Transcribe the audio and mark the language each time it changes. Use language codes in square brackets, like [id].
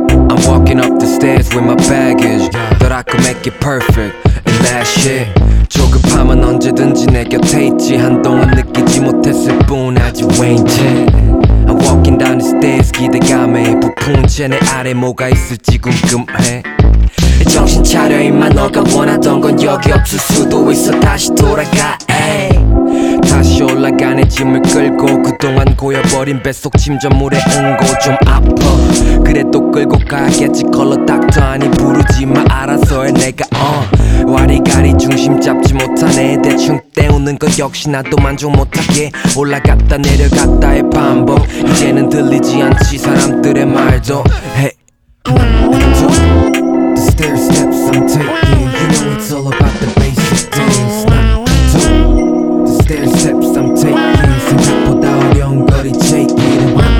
[en] I'm walking up the stairs with my baggage. Thought I could make it perfect and that shit. [ko] 조급하면 언제든지 내 곁에 있지. 한동안 느끼지 못했을 뿐 아직 왠지. [en] I'm walking down the stairs [ko] 기대감에 부푼 채 내 아래 뭐가 있을지 궁금해. 정신 차려 임마 너가 원하던 건 여기 없을 수도 있어. 다시 돌아가 에이. 다시 올라가네 짐을 끌고 그동안 고여버린 뱃속 침전물에 응고 좀 아파. 그래도 끌고 가야겠지. 컬러 닥터 아니 부르지마 알아서 해 내가 와리가리 중심 잡지 못하네. 대충 때우는 것 역시 나도 만족 못하게. 올라갔다 내려갔다의 반복. 이제는 들리지 않지 사람들의 말도. [en] Hey. The stair steps I'm taking, you know it's all about the basic things. The stair steps I'm taking, [ko] 생각보다 어려운 거리 [en] taking.